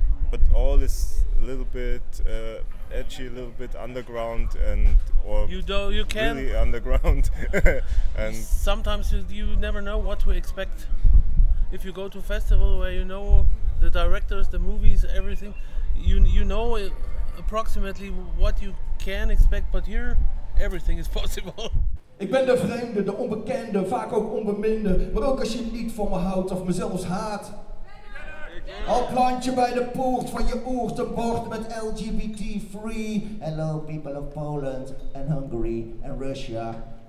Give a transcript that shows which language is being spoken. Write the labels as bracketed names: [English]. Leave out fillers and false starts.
[English] But all is a little bit edgy, a little bit underground, and really underground. And sometimes you never know what to expect. If you go to a festival where you know the directors, the movies, everything, you know approximately what you can expect, but here everything is possible. [Dutch] Ik ben de vreemde, de onbekende, vaak ook onbeminde, maar ook als je niet van me houdt of mezelfs haat. Al plant je bij de poort van je oort een bord met LGBT-free. [English] Hello people of Poland and Hungary and Russia.